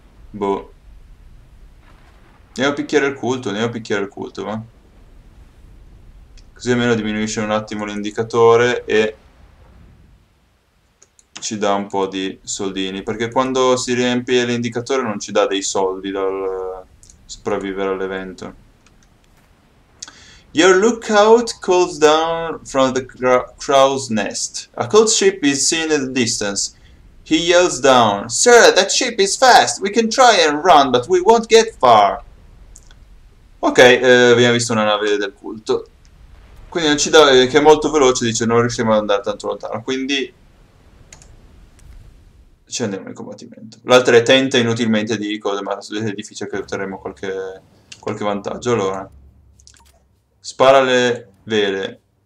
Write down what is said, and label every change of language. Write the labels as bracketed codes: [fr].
[it] Boh. Andiamo a picchiare il culto, andiamo a picchiare il culto, va? Così almeno diminuisce un attimo l'indicatore e ci dà un po' di soldini. Perché quando si riempie l'indicatore non ci dà dei soldi dal sopravvivere all'evento. [en] Your lookout calls down from the crow's nest. A cold ship is seen in the distance. He yells down, "Sir, that ship is fast! We can try and run, but we won't get far." [it] Ok, abbiamo visto una nave del culto. Quindi non ci dà, che è molto veloce, dice, non riusciamo ad andare tanto lontano. Quindi ci andiamo in combattimento. L'altra tenta inutilmente di cosa, ma è difficile che otterremo qualche vantaggio. Allora. Spara le vele.